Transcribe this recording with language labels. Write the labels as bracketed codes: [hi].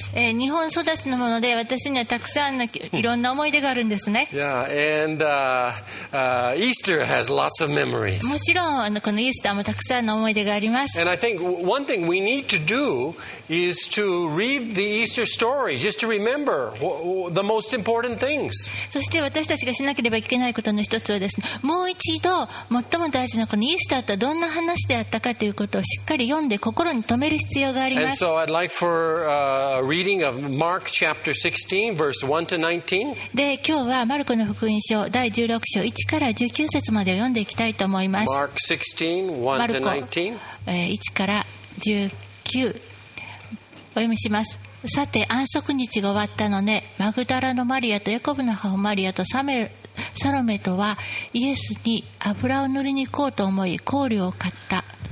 [ja] 日本育ちのもので私にはたくさんのいろんな思い出があるんですね。 [en] Yeah, and Easter has lots of memories. [ja] もちろんこのイースターもたくさんの思い出があります。 [en] And I think one thing we need to do is to read the Easter story just to remember the most important things. [ja] そして私たちがしなければいけないことの一つはですね、もう一度最も大事なこのイースターとどんな話であったかということをしっかり読んで心に留める必要があります。 [en] And so I'd like for a reading of Mark chapter 16, verse 1 to 19. [ja] で、今日はマルコの福音書第16章1から19節まで読んでいきたいと思います。 [en] Mark 16, 1 to 19. [ja] マルコ、1から19、お読みします。さて、安息日が終わったのね、マグダラのマリアとヤコブの母マリアとサロメとはイエスに油を塗りに行こうと思い香料を買った。